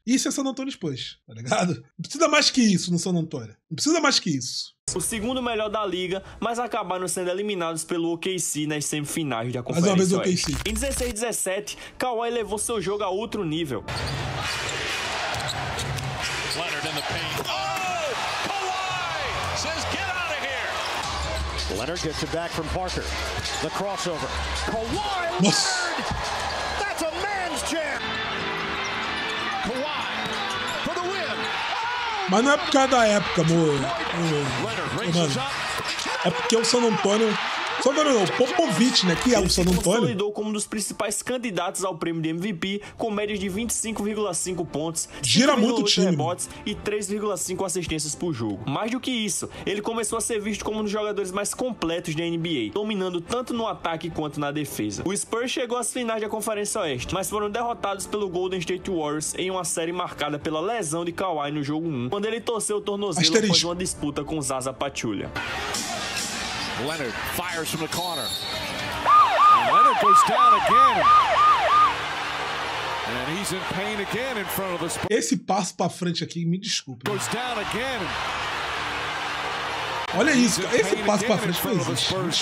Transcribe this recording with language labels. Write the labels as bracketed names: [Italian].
[Portuguese] Isso é San Antonio Spurs, tá ligado? Não precisa mais que isso no San Antonio. Não precisa mais que isso. O segundo melhor da liga, mas acabaram sendo eliminados pelo OKC nas semifinais de Conferência. Mais uma vez o OKC. Em 16-17, Kawhi levou seu jogo a outro nível. [English] Leonard in the paint. Oh! Kawhi says get out of here. Leonard gets it back from Parker. The crossover. Kawhi Leonard. That's a man's jam. Kawhi for the win. [Portuguese] Mas não é por causa da época, amor. Mano, é porque o San Antonio... Só que o Popovich, né, que é o San Antonio... consolidou como um dos principais candidatos ao prêmio de MVP, com médias de 25,5 pontos, gira muito o time, rebotes e 3,5 assistências por jogo. Mais do que isso, ele começou a ser visto como um dos jogadores mais completos da NBA, dominando tanto no ataque quanto na defesa. O Spurs chegou às finais da Conferência Oeste, mas foram derrotados pelo Golden State Warriors em uma série marcada pela lesão de Kawhi no jogo 1, quando ele torceu o tornozelo após uma disputa com Zaza Pachulia. [English] Leonard fires from the corner. And Leonard goes down again. And he's in pain again in front of the Spurs. [Portuguese] Esse passo pra frente aqui, me desculpe. [English] Goes down again. [Portuguese] Olha isso, cara. Esse passo pra frente foi isso.